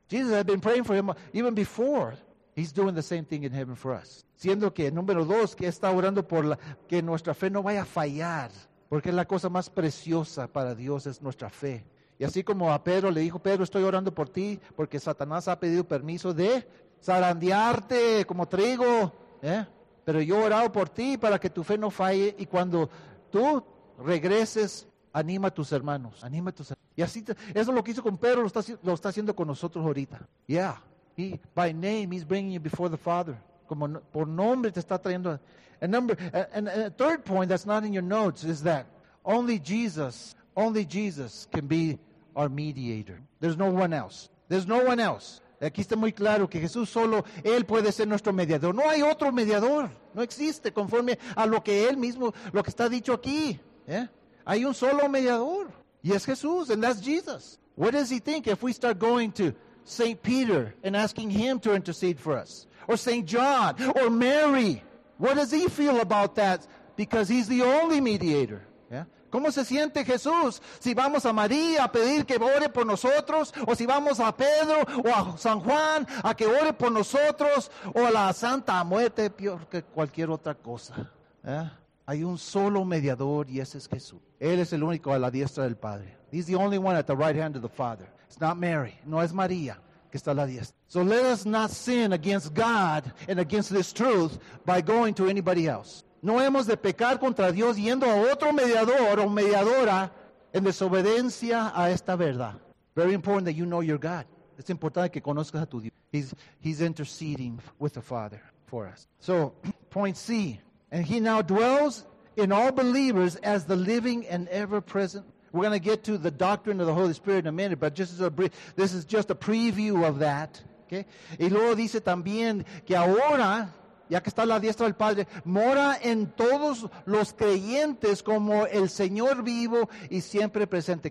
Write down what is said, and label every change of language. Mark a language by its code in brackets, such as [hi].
[en] Jesus had been praying for him even before. He's doing the same thing in heaven for us. [es] Siendo que, número dos, que está orando por que nuestra fe no vaya a fallar. Porque la cosa más preciosa para Dios es nuestra fe. Y así como a Pedro le dijo, Pedro, estoy orando por ti, porque Satanás ha pedido permiso de zarandearte como trigo. Pero yo he orado por ti para que tu fe no falle y cuando tú regreses, anima a tus hermanos. Y así, eso es lo que hizo con Pedro, lo está haciendo con nosotros ahorita. [en] Yeah, he, by name, he's bringing you before the Father. [es] Como por nombre te está trayendo. [en] And a third point that's not in your notes is that only Jesus can be our mediator. There's no one else. [es] Aquí está muy claro que Jesús solo, Él puede ser nuestro mediador. No hay otro mediador. No existe conforme a lo que Él mismo, lo que está dicho aquí. Hay un solo mediador. Y es Jesús, [en] and that's Jesus. What does he think if we start going to St. Peter and asking him to intercede for us? Or St. John, or Mary? What does he feel about that? Because he's the only mediator. [es] ¿Cómo se siente Jesús si vamos a María a pedir que ore por nosotros? ¿O si vamos a Pedro o a San Juan a que ore por nosotros? ¿O a la Santa Muerte, peor que cualquier otra cosa? Hay un solo mediador y ese es Jesús. Él es el único a la diestra del Padre. [en] He's the only one at the right hand of the Father. It's not Mary. [es] No es María que está a la diestra. [en] So let us not sin against God and against this truth by going to anybody else. [es] No hemos de pecar contra Dios yendo a otro mediador o mediadora en desobediencia a esta verdad. [en] Very important that you know your God. [es] Es importante que conozcas a tu Dios. [en] He's interceding with the Father for us. So, point C. And he now dwells in all believers as the living and ever-present. We're going to get to the doctrine of the Holy Spirit in a minute, but this is just a preview of that. Okay? [es] Y luego dice también que ahora, ya que está a la diestra del Padre, mora en todos los creyentes como el Señor vivo y siempre presente.